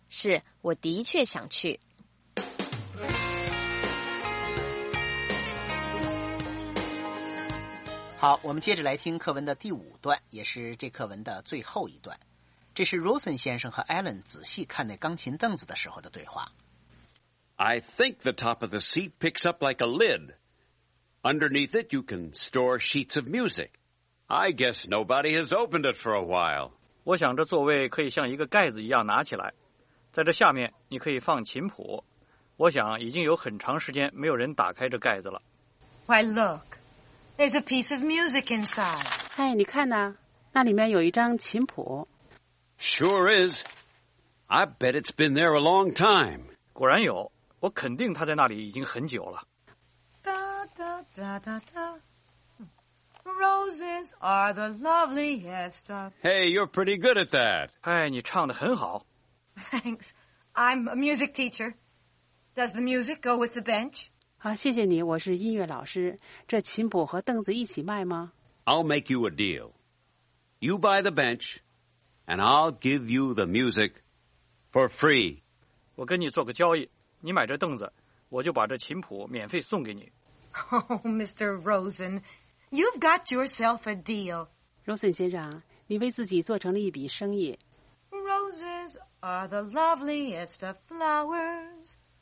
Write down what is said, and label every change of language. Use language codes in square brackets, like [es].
[zh] 是，我的确想去。好，我们接着来听课文的第五段，也是这课文的最后一段。这是 Rosen 先生和 Alan 仔细看那钢琴凳子的时候的对话。 [en] I think the top of the seat picks up like a lid. Underneath it, you can store sheets of music. I guess nobody has opened it for a while. [zh] 我想这座位可以像一个盖子一样拿起来。在这下面，你可以放琴谱。我想已经有很长时间没有人打开这盖子了。 [en] Why, look. There's a piece of music inside. [zh] 哎，你看呢？那里面有一张琴谱。 [en] Sure is. I bet it's been there a long time. [zh] 果然有，我肯定他在那里已经很久了。 [en] Roses are the loveliest of... Hey, you're pretty good at that. [zh] 哎，你唱得很好。 [en] Thanks. I'm a music teacher. Does the music go with the bench? [zh] 好，谢谢你，我是音乐老师。这琴谱和凳子一起卖吗？ [en] I'll make you a deal. You buy the bench, and I'll give you the music for free. [zh] 我跟你做个交易，你买这凳子，我就把这琴谱免费送给你。 [en] Oh, Mr. Rosen, you've got yourself a deal. [zh] Rosen 先生，你为自己做成了一笔生意。 [en] Roses are the loveliest of flowers.